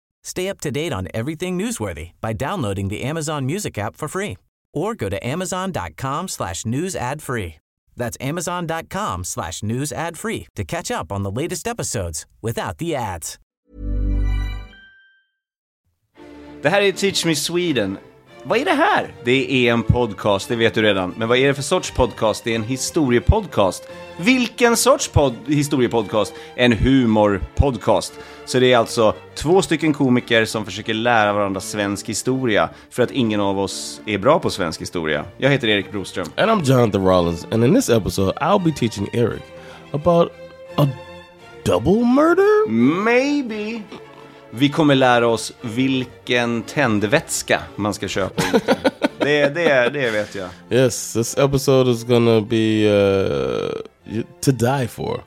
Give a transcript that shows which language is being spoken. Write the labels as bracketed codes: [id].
[en] Stay up to date on everything newsworthy by downloading the Amazon Music app for free or go to amazon.com/news ad free. That's amazon.com/news ad free to catch up on the latest episodes without the ads. [sv] Det här är Teach Me Sweden. Vad är det här? Det är en podcast, det vet du redan. Men vad är det för sorts podcast? Det är en historiepodcast. Vilken sorts historiepodcast? En humorpodcast. Så det är alltså två stycken komiker som försöker lära varandra svensk historia. För att ingen av oss är bra på svensk historia. Jag heter Erik Broström. [en] And I'm Jonathan Rollins. And in this episode I'll be teaching Eric about a double murder? Maybe. [sv] Vi kommer lära oss vilken tändvätska man ska köpa. Det vet jag. [en] Yes, this episode is gonna be to die for.